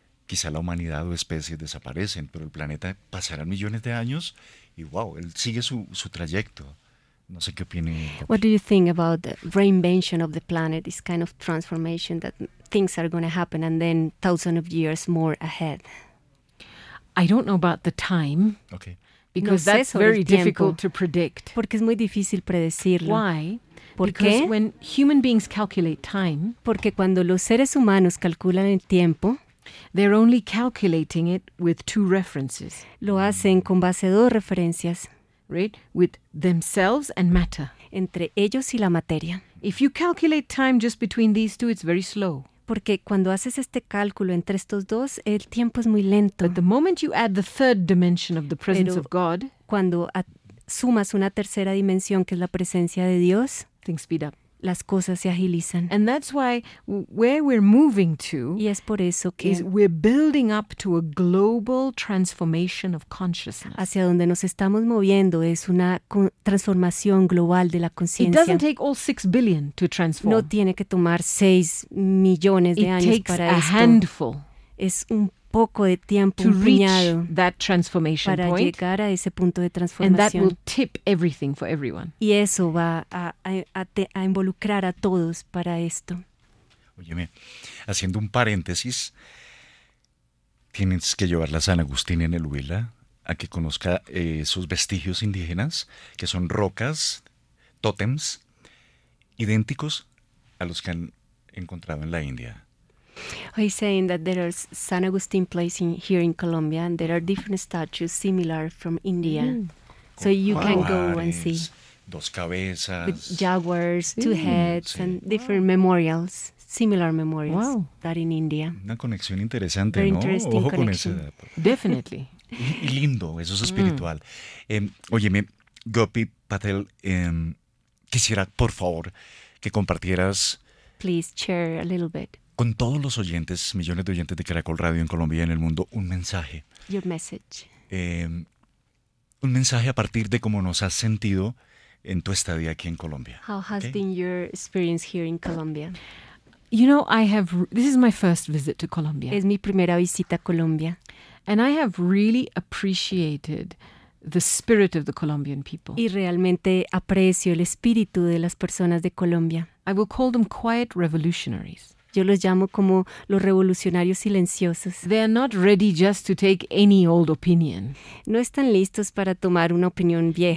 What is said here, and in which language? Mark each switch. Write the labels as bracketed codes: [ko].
[es] Quizá la humanidad o especies desaparecen, pero el planeta pasará millones de años y wow, él sigue su trayecto. No sé qué opinión. [en] What do you think about the reinvention of the planet, this kind of transformation that things are going to happen and then thousands of years more ahead? I don't know about the time. Okay. Because [es] no sé [en] that's very difficult to predict. [es] Porque es muy difícil predecirlo. [en] Why? [es] ¿Por [en] because [es] qué? [en] When human beings calculate time, [es] porque cuando los seres humanos calculan el tiempo, [en] they're only calculating it with two references. [es] Lo hacen con base de dos referencias. [en] Right? With themselves and matter. [es] Entre ellos y la materia. [en] If you calculate time just between these two, it's very slow. [es] Porque cuando haces este cálculo entre estos dos, el tiempo es muy lento. [en] But the moment you add the third dimension of the presence [es] Pero [en] of God, [es] cuando sumas una tercera dimensión, que es la presencia de Dios, [en] things speed up. [es] Las cosas se agilizan. [en] And that's why where we're moving to [es] y es por eso que [en] is we're building up to a global transformation of consciousness. [es] Hacia donde nos estamos moviendo es una transformación global de la conciencia. [en] It doesn't take all 6 billion to transform. [es] No tiene que tomar 6 millones de [en] It [es] años para esto. [en] It takes a handful. [es] Es un poco de tiempo, [en] to reach that transformation [es] para [en] point, [es] llegar a ese punto de transformación. [en] And that will tip everything for everyone. [es] Y eso va a involucrar a todos para esto. Óyeme, haciendo un paréntesis, tienes que llevar la San Agustín en el Huila a que conozca esos vestigios indígenas, que son rocas, tótems, idénticos a los que han encontrado en la India. [en] He's saying that there are San Agustín place in, here in Colombia, and there are different statues similar from India. Mm. So you can go and see. [es] Dos cabezas. [en] With jaguars, two heads, and different memorials, similar memorials that in India. [es] Una conexión interesante, [en] very [es] ¿no? [en] Interesting [es] Ojo [en] connection. [es] Con [en] Definitely. [es] Y lindo, eso es espiritual. Óyeme, Gopi Patel, quisiera, por favor, que compartieras. [en] Please share a little bit. [es] Con todos los oyentes, millones de oyentes de Caracol Radio en Colombia y en el mundo, un mensaje. [en] Your message. [es] Un mensaje a partir de cómo nos has sentido en tu estadía aquí en Colombia. [en] How has been your experience here in Colombia? You know, this is my first visit to Colombia. [es] Es mi primera visita a Colombia. [en] And I have really appreciated the spirit of the Colombian people. [es] Y realmente aprecio el espíritu de las personas de Colombia. [en] I will call them quiet revolutionaries. [es] Yo los llamo como los revolucionarios silenciosos. [en] They are not ready just to take any old opinion. [es] No están listos para tomar una opinión vieja.